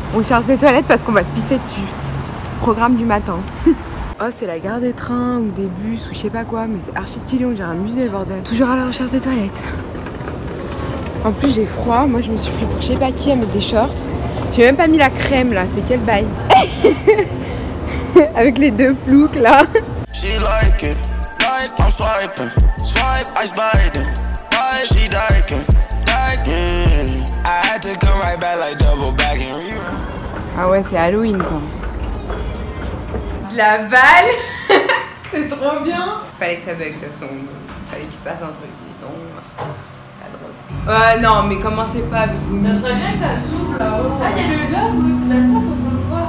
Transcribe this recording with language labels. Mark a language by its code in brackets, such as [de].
[fr] On charge des toilettes parce qu'on va se pisser dessus. Programme du matin. Oh, c'est la gare des trains ou des bus ou je sais pas quoi, mais c'est archi stylé, on dirait un musée le bordel. Toujours à la recherche des toilettes. En plus, j'ai froid. Moi, je me suis pris pour je sais pas qui à mettre des shorts. J'ai même pas mis la crème là, c'est quel bail. Avec les deux ploucs là. [en] She like it, I'm swiping, swipe, ice biting, why she like it, like it. I had to come right back like double back and rerun. [fr] Ah ouais, c'est Halloween quoi. De la balle. C'est trop bien. Fallait que ça bug de toute façon. Fallait qu'il se passe un truc. Non. Non, mais commencez pas avec vous. Ça serait bien que ça s'ouvre là-haut. Ah, il y a le globe aussi, là, ça faut qu'on le voit.